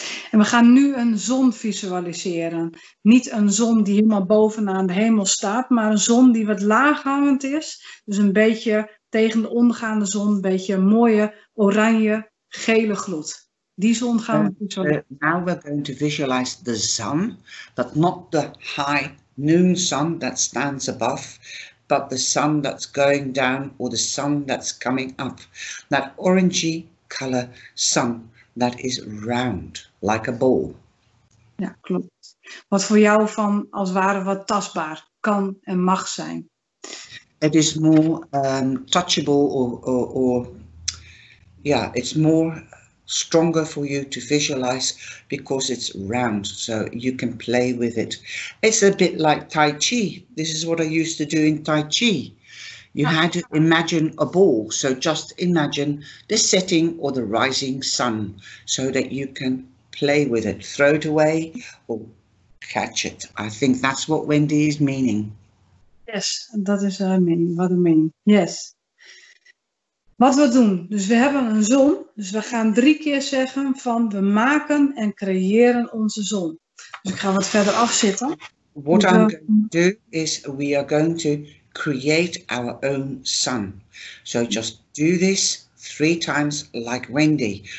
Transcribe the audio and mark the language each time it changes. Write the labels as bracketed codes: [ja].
[nl] En we gaan nu een zon visualiseren. Niet een zon die helemaal bovenaan de hemel staat, maar een zon die wat laaghangend is. Dus een beetje tegen de ondergaande zon, een beetje een mooie oranje gele gloed. Die zon gaan we visualiseren. [en] Now we're going to visualize the sun, but not the high noon sun that stands above, but the sun that's going down or the sun that's coming up. That orangey color sun. That is round, like a ball. [nl] Ja, klopt. Wat voor jou van als ware wat tastbaar kan en mag zijn. [en] It is more touchable or yeah, it's more stronger for you to visualize because it's round, so you can play with it. It's a bit like Tai Chi. This is what I used to do in Tai Chi. You had to imagine a ball, so just imagine the setting or the rising sun so that you can play with it, throw it away or catch it. I think that's what Wendy is meaning. Yes, that is what I mean. What I mean. Yes. [nl] Wat we doen, dus we hebben een zon, dus we gaan drie keer zeggen van we maken en creëren onze zon. Dus ik ga wat verder afzitten. [en] What I'm going to do is we are going to create our own sun. So just do this three times like Wendy.